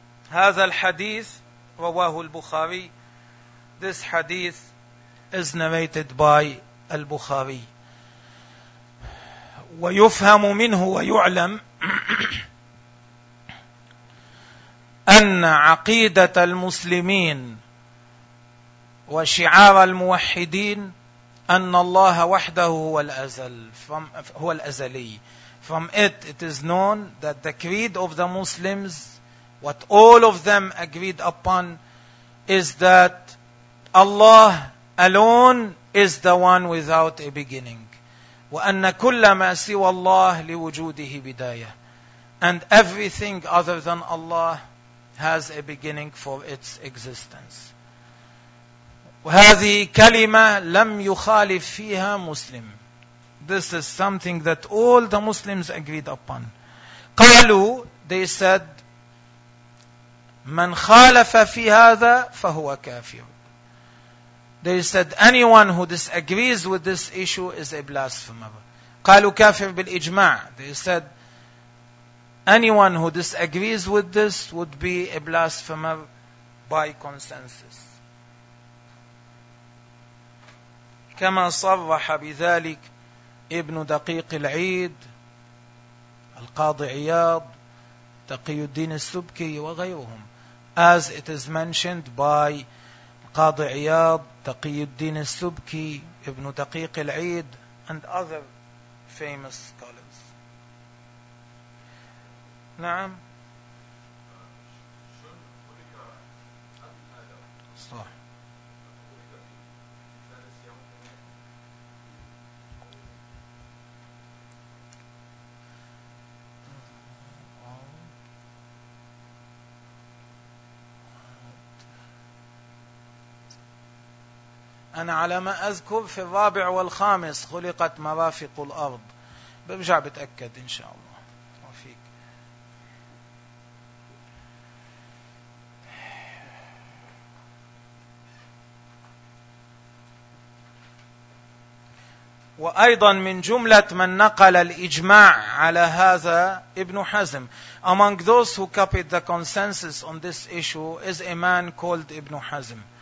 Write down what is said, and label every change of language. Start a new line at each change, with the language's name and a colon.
Arabic: هذا الحديث رواه البخاري.
English: This hadith is narrated by al-Bukhari.
Arabic: ويفهم منه ويعلم أن عقيدة المسلمين وشعار الموحدين أن الله وحده هو الأزل هو الأزلي.
English: From it, it is known that the creed of the Muslims, what all of them agreed upon, is that Allah alone is the one without a beginning.
Arabic: وَأَنَّ كُلَّ مَا سِوَى اللَّهِ لِوُجُودِهِ بِدَايَةٍ.
English: And everything other than Allah has a beginning for its existence.
Arabic: وهذه كلمة لم يخالف فيها مسلم.
English: This is something that all the Muslims agreed upon.
Arabic: قالوا,
English: they said,
Arabic: من خالف في هذا فهو كافر.
English: They said, anyone who disagrees with this issue is a blasphemer.
Arabic: قالوا كافر بالإجماع.
English: They said, anyone who disagrees with this would be a blasphemer by consensus.
Arabic: كما صرح بذلك ابن دقيق العيد القاضي عياض تقي الدين السبكي وغيرهم.
English: As it is mentioned by القاضي عياض تقي الدين السبكي ابن دقيق العيد and other famous scholars.
Arabic: نعم صح. أنا على ما أذكر في الرابع والخامس خلقت مرافق الأرض. برجع بتأكد إن شاء الله. وفيك. وأيضا من جملة من نقل الإجماع على هذا ابن حزم.
English: Among those who copied the consensus on this issue is a man called ابن حزم.